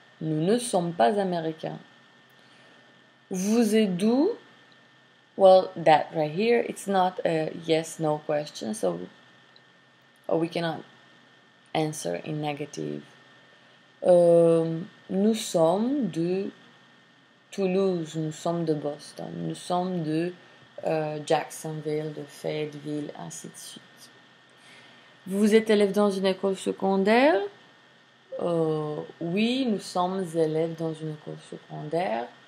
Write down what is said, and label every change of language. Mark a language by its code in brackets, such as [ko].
[fr] Nous ne sommes pas américains. Vous êtes d'où? [en] Well, that right here, it's not a yes/no question, so we cannot answer in negative. [fr] Nous sommes de Toulouse, nous sommes de Boston, nous sommes de Jacksonville, de Fayetteville, ainsi de suite. Vous vous êtes élève dans une école secondaire? Oui, nous sommes élèves dans une école secondaire.